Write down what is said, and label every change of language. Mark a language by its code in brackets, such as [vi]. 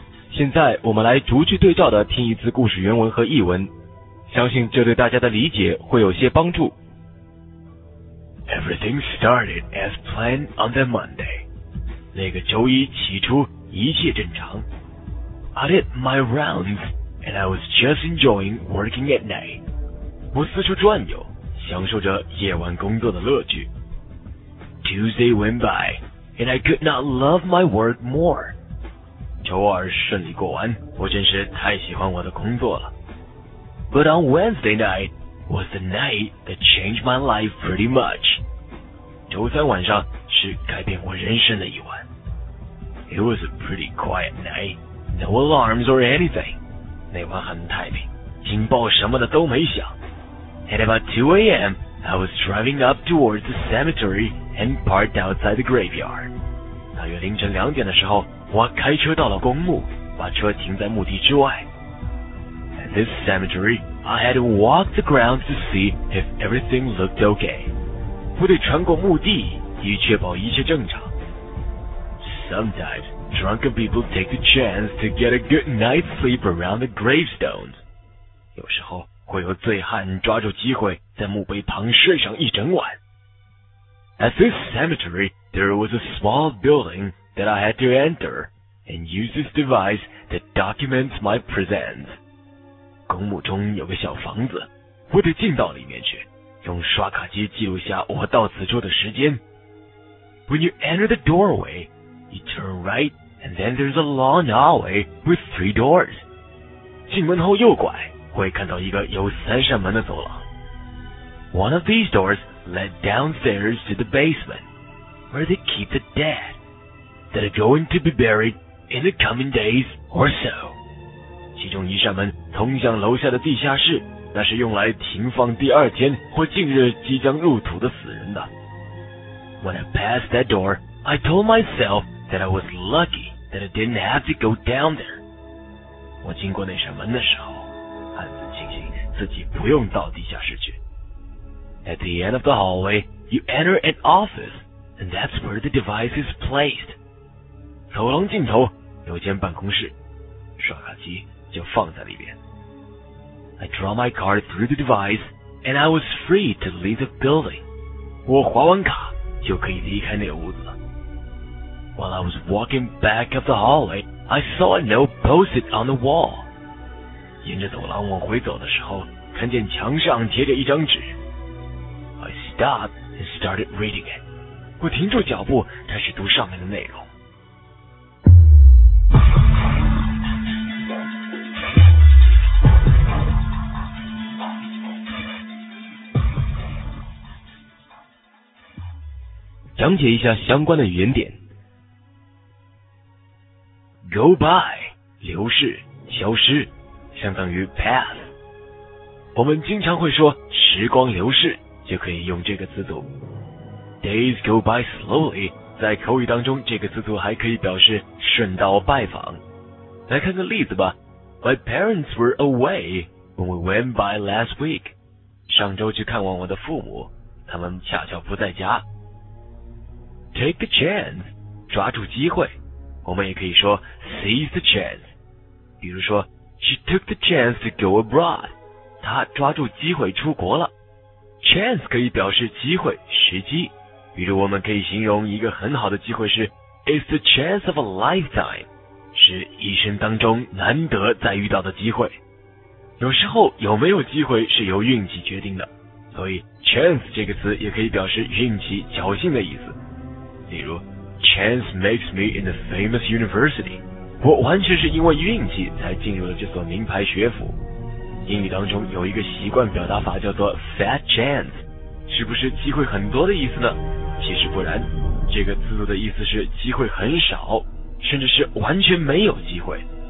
[zh] 现在我们来逐句对照的听一次故事原文和译文，相信这对大家的理解会有些帮助。 [en] Everything started as planned on that Monday. [zh] 那个周一起初一切正常。 [en] I did my rounds. And I was just enjoying working at night. [zh] 我四处转悠，享受着夜晚工作的乐趣。 [en] Tuesday went by, and I could not love my work more. [zh] 周二顺利过完，我真是太喜欢我的工作了。 [en] But on Wednesday night was the night that changed my life pretty much. [zh] 周三晚上是改变我人生的一晚。 [en] It was a pretty quiet night, no alarms or anything. [zh] 那晚很太平，警报什么的都没响。 [en] At about 2 a.m., I was driving up towards the cemetery and parked outside the graveyard. [zh] 大约凌晨两点的时候，我开车到了公墓，把车停在墓地之外。 [en] At this cemetery, I had to walk the grounds to see if everything looked okay. [zh] 我得穿过墓地以确保一切正常。 [en] sometimes drunken people take the chance to get a good night's sleep around the gravestones. [zh] 有时候会有醉汉抓住机会在墓碑旁睡上一整晚。 [en] At this cemetery, there was a small building that I had to enter and use this device that documents my presence. [zh] 公墓中有个小房子，我得进到里面去，用刷卡机记录下我到此处的时间。 [en] When you enter the doorway, you turn right, and then there's a long hallway with three doors. [zh] 进门后右拐，会看到一个有三扇门的走廊。 [en] One of these doors led downstairs to the basement, where they keep the dead that are going to be buried in the coming days or so. [zh] 其中一扇门通向楼下的地下室，那是用来停放第二天或近日即将入土的死人的。 [en] When I passed that door, I told myself that I was lucky that I didn't have to go down there. [zh] 我经过那扇门的时候，暗自庆幸自己不用到地下室去。 [en] At the end of the hallway, you enter an office, and that's where the device is placed. [zh] 走廊尽头有间办公室，刷卡机就放在里边。 [en] I draw my card through the device, and I was free to leave the building. [zh] 我划完卡就可以离开那个屋子了。 [en] While I was walking back up the hallway, I saw a note posted on the wall. [zh] 沿着走廊往回走的时候，看见墙上贴着一张纸。 [en] I stopped and started reading it. [zh] 我停住脚步，开始读上面的内容。讲解一下相关的语言点。 [en] Go by, [zh] 流逝、消失，相当于 pass。我们经常会说时光流逝，就可以用这个词组。 [en] Days go by slowly, [zh] 在口语当中这个词组还可以表示顺道拜访。来看个例子吧。 [en] My parents were away when we went by last week. [zh] 上周去看望我的父母，他们恰巧不在家。 [en] Take a chance, [zh] 抓住机会。我们也可以说 [en] seize the chance. [zh] 比如说 [en] She took the chance to go abroad. [zh] 她抓住机会出国了。 Chance 可以表示机会、时机。比如我们可以形容一个很好的机会是 [en] It's the chance of a lifetime. [zh] 是一生当中难得再遇到的机会。有时候有没有机会是由运气决定的。所以 chance 这个词也可以表示运气、侥幸的意思。例如 [en] Chance makes me in a famous university. [zh] 我完全是因为运气才进入了这所名牌学府。英语当中有一个习惯表达法叫做 [en] fat chance， [zh] 是不是机会很多的意思呢？其实不然，这个词组的意思是机会很少，甚至是完全没有机会。